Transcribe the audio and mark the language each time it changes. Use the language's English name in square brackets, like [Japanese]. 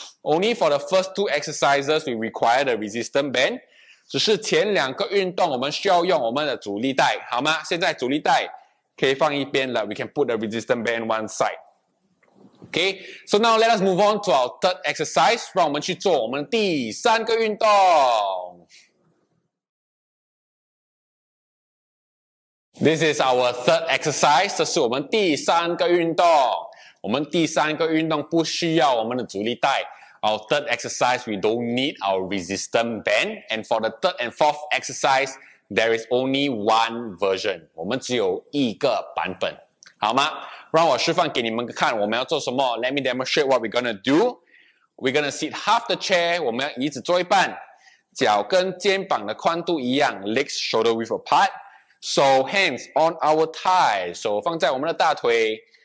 [English] Only for the first two exercises, we require the resistance band. [Chinese] 只是前两个运动我们需要用我们的阻力带，好吗？现在阻力带可以放一边了。 [English] We can put the resistance band one side. Okay. So now let us move on to our third exercise. [Chinese] 让我们去做我们第三个运动。 [English] This is our third exercise. [Chinese] 这是我们第三个运动。我们第三个运动不需要我们的阻力带 [English] Our third exercise, we don't need our resistance band. And for the third and fourth exercise, there is only one version. [Chinese] 我们只有一个版本，好吗？让我示范给你们看我们要做什么。 [English] Let me demonstrate what we're gonna do. We're gonna sit half the chair. [Chinese] 我们要椅子坐一半，脚跟肩膀的宽度一样 [English] legs shoulder width apart. So hands on our thigh. [Chinese] 手放在我们的大腿。